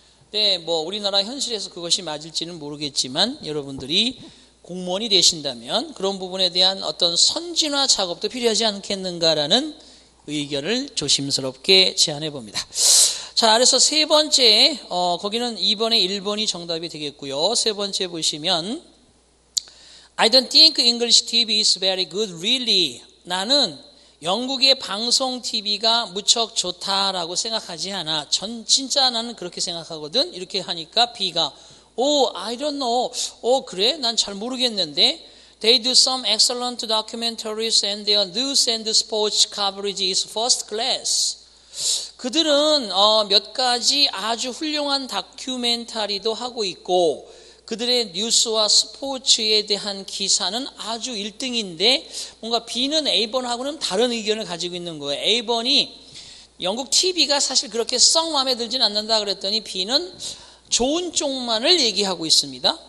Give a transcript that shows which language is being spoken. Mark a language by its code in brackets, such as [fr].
[ko] 네, 뭐 우리나라 현실에서 그것이 맞을지는 모르겠지만 여러분들이 공무원이 되신다면 그런 부분에 대한 어떤 선진화 작업도 필요하지 않겠는가라는 의견을 조심스럽게 제안해 봅니다. 자, 그래서 세 번째, 거기는 2번에 1번이 정답이 되겠고요. 세 번째 보시면 [en] I don't think English TV is very good, really. [ko] 나는 영국의 방송 TV가 무척 좋다라고 생각하지 않아. 전 진짜 나는 그렇게 생각하거든. 이렇게 하니까 B가 [en] I don't know. [ko] 그래? 난 잘 모르겠는데. [en] They do some excellent documentaries and their news and sports coverage is first class. [ko] 그들은 몇 가지 아주 훌륭한 다큐멘터리도 하고 있고 그들의 뉴스와 스포츠에 대한 기사는 아주 1등인데 뭔가 B는 A번하고는 다른 의견을 가지고 있는 거예요. A번이 영국 TV가 사실 그렇게 썩 마음에 들진 않는다 그랬더니 B는 좋은 쪽만을 얘기하고 있습니다.